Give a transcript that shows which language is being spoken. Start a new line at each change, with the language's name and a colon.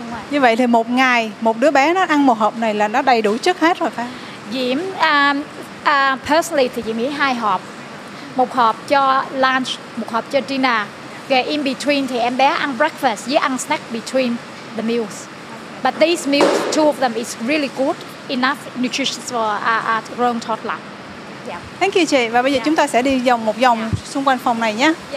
Vietnamese: Như vậy thì một ngày một đứa bé nó ăn một hộp này là nó đầy đủ chất hết rồi phải không? Diễm personally thì Diễm nghĩ 2 hộp. Một hộp cho lunch, một hộp cho dinner. Rồi in between thì em bé ăn breakfast với ăn snack between the meals.
English: But these meals, two of them, is really good, enough nutritious for a grown toddler. Yeah. Thank you, chị.
Vietnamese: Và bây giờ chúng ta sẽ đi vòng một vòng xung quanh phòng này nhé.